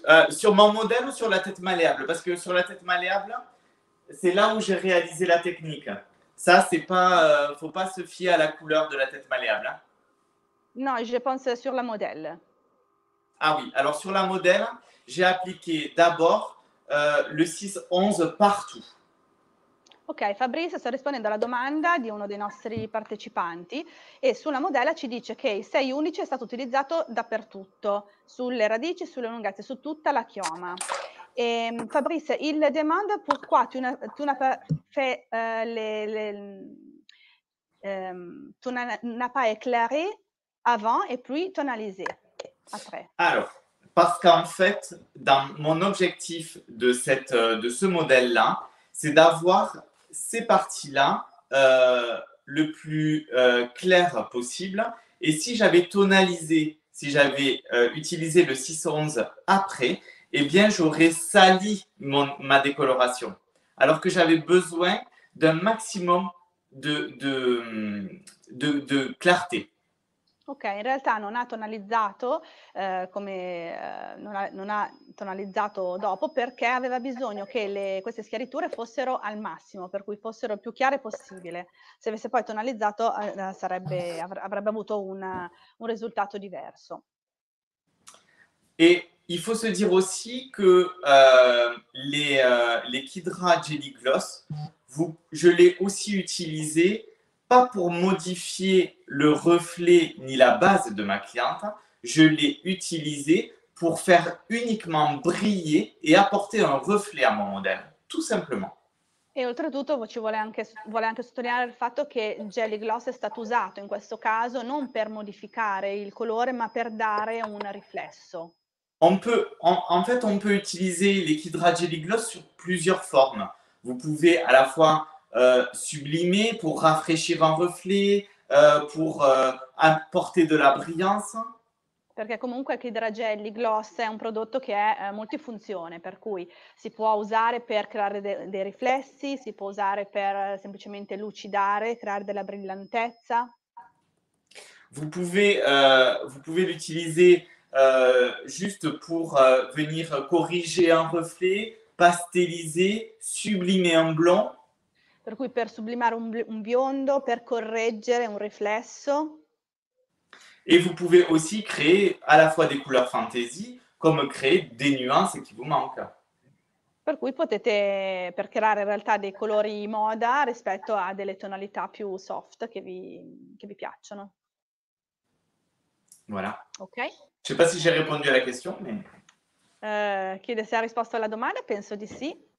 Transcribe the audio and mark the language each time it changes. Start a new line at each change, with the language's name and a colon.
French: Sur mon modèle ou sur la tête malléable? Parce que sur la tête malléable, c'est là où j'ai réalisé la technique. Ça, c'est pas, faut pas se fier à la couleur de la tête malléable. Non, je pense sur la modèle. Ah oui, alors sur la modèle, j'ai appliqué d'abord le 6-11 partout.
Italian: Ok, Fabrice sta rispondendo alla domanda di uno dei nostri partecipanti e sulla modella ci dice che il 6-11 è stato utilizzato dappertutto, sulle radici, sulle lunghezze, su tutta la chioma.
French: E, Fabrice, il demande pourquoi tu n'as pas éclairé avant et puis tonalisé après. Alors. Parce qu'en fait, dans mon objectif de ce modèle-là, c'est d'avoir ces parties-là le plus clair possible. Et si j'avais tonalisé, si j'avais utilisé le 611 après, eh bien, j'aurais sali ma décoloration. Alors que j'avais besoin d'un maximum de clarté.
Italian: Ok, in realtà non ha tonalizzato, come non ha tonalizzato dopo, perché aveva bisogno che queste schiariture fossero al massimo, per cui fossero più chiare possibile. Se avesse poi tonalizzato, avrebbe avuto un risultato diverso.
French: Et il faut se dire aussi que les Kidra Jelly Gloss, je l'ai aussi utilisé, pas pour modifier le reflet ni la base de ma cliente, je l'ai utilisé pour faire uniquement briller et apporter un reflet à mon modèle, tout simplement.
Italian: E oltretutto ci vuole anche sottolineare il fatto che Jelly Gloss è stato usato in questo caso non per modificare il colore, ma per dare un riflesso.
French: On peut utiliser les Kidra Jelly Gloss sur plusieurs formes. Vous pouvez à la fois sublimer pour rafraîchir un reflet, pour apporter de la brillance.
Italian: Perché comunque Kidra Jelly Gloss è un prodotto che è multifunzione, per cui si può usare per creare dei riflessi, si può usare per semplicemente lucidare, creare della brillantezza.
French: Vous pouvez l'utiliser juste pour venir corriger un reflet, pasteliser, sublimer un blanc.
Italian: Per cui per sublimare un biondo, per correggere un riflesso.
French: Et vous pouvez aussi créer à la fois des couleurs fantasy, comme créer des nuances qui vous manquent.
Italian: Per cui potete, per creare in realtà dei colori moda rispetto a delle tonalità più soft che vi piacciono.
French: Voilà. Ok. Je sais pas si j'ai répondu à la question, mais...
Italian: Chiede se ha risposto alla domanda, penso di sì.